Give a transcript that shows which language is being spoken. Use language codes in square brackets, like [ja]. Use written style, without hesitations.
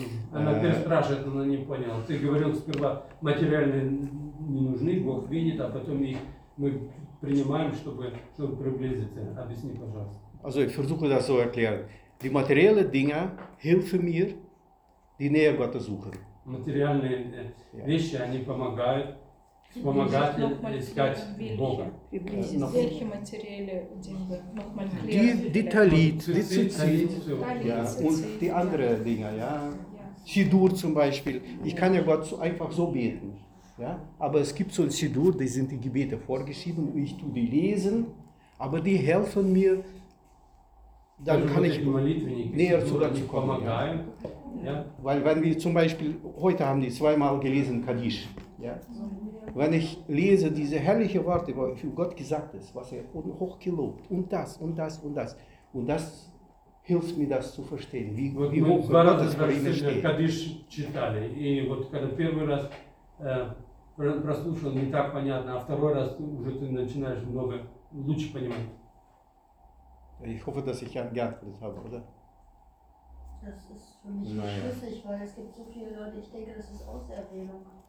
[ru] Она переспрашивает, она не поняла. Ты говорил сперва, материальные не нужны, Бог видит, а потом их мы принимаем, чтобы приблизиться. Объясни, пожалуйста. [de] Also, ich versuche das so erklären. Die materiellen Dinge helfen mir, die Nähe Gottes suchen. Materielle Dinge, [ru] они помогают. Помогать искать Бога. [de] Welche materielle Dinge noch mal klären? Die Talit, die Zitzit und die andere Dinge, ja. Siddur zum Beispiel. Ich kann ja Gott so einfach so beten. Ja? Aber es gibt so ein Siddur, die sind die Gebete vorgeschrieben, ich tue die lesen, aber die helfen mir, dann also kann ich näher zu Gott kommen. Ja. Weil wenn wir zum Beispiel, heute haben die zweimal gelesen Kaddisch, ja. Wenn ich lese diese herrliche Worte, was für Gott gesagt ist, was er hochgelobt und das und das und das und das hilft mir das zu verstehen, wie, [ru] вот [de] wie hoch Gott das bei ihm steht. [ru] Kaddisch читали, и вот когда первый раз прослушал, не так понятно, а второй раз уже ты начинаешь много лучше понимать. [de] Ich hoffe, dass ich geantwortet habe, oder? Das ist für mich schlüssig, weil es gibt so viele Leute, ich denke, das ist Auserwählung.